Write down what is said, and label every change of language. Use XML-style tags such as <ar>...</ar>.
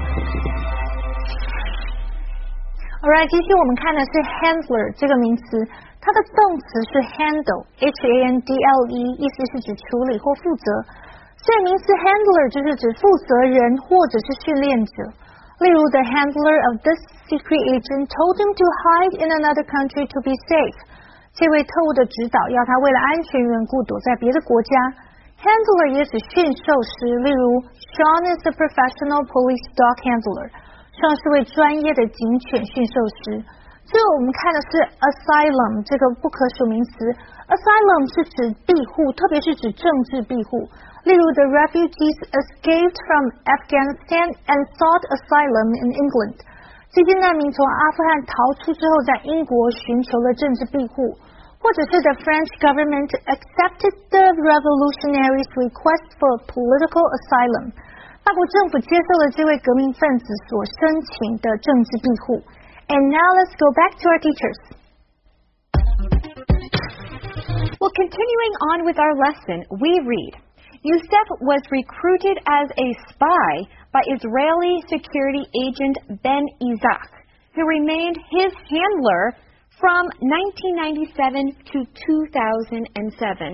<en>Alright,</en> <zh>接下来我们看的是 handler 这个名词，它的动词是 handle，H-A-N-D-L-E， 意思是指处理或负责。所以名词 handler 就是指负责人或者是训练者。例如</zh> <en>，the handler of this secret agent told him to hide in another country to be safe。</en> <zh>这位特务的指导要他为了安全缘故躲在别的国家。</zh> <en>Handler</en> <zh>也指驯兽师，例如</zh> <en>，Sean is a professional police dog handler。</en> <zh>像是位专业的警犬驯兽师。最后我们看的是 asylum 这个不可数名词。 Asylum 是指庇护，特别是指政治庇护。例如</zh> <en>，the refugees escaped from Afghanistan and sought asylum in England。</en> <zh>这些难民从阿富汗逃出之后，在英国寻求了政治庇护。或者是</zh> <en>the French government accepted the revolutionaries' request for political asylum。</en> <zh>法国政府接受了这位革命分子所申请的政治庇护。</zh> <en>And now let's go back to our teachers. Well, continuing on with our lesson, we read, Yousef was recruited as a spy by Israeli security agent Ben Itzhak, who remained his handler from 1997 to 2007.</en>